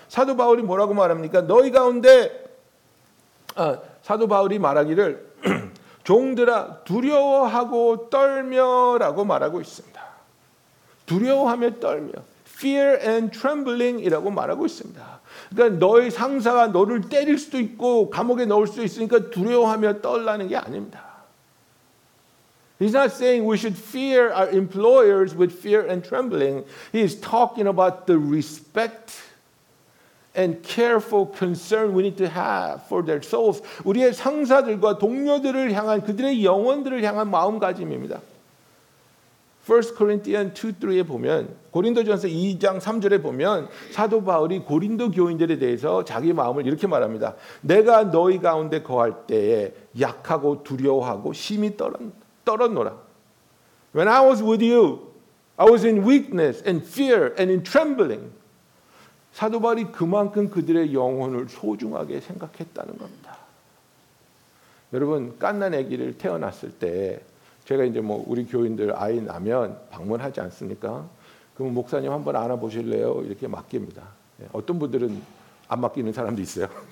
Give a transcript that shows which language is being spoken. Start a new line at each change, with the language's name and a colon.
Korean: 사도 바울이 뭐라고 말합니까? 너희 가운데 사도 바울이 말하기를 종들아 두려워하고 떨며라고 말하고 있습니다. 두려워하며 떨며,
English: fear and trembling
Korean: 이라고 말하고 있습니다. 그러니까 너의 상사가 너를 때릴 수도 있고 감옥에 넣을 수도 있으니까 두려워하며 떨라는 게 아닙니다.
English: He's not saying we should fear our employers with fear and trembling. He is talking about the respect and careful concern we need to have for their souls.
Korean: 우리의 상사들과 동료들을 향한 그들의 영혼들을 향한 마음가짐입니다.
English: 1 Corinthians 2:3
Korean: 에 보면 고린도전서 2장 3절에 보면 사도 바울이 고린도 교인들에 대해서 자기 마음을 이렇게 말합니다. 내가 너희 가운데 거할 때에 약하고 두려워하고 심히 떨었노라.
English: When I was with you, I was in weakness and fear and in trembling.
Korean: 사도 바울이 그만큼 그들의 영혼을 소중하게 생각했다는 겁니다. 여러분, 갓난 아기를 태어났을 때 제가 이제 뭐 우리 교인들 아이 나면 방문하지 않습니까? 그럼 목사님 한번 안아보실래요? 이렇게 맡깁니다. 어떤 분들은 안 맡기는 사람도 있어요.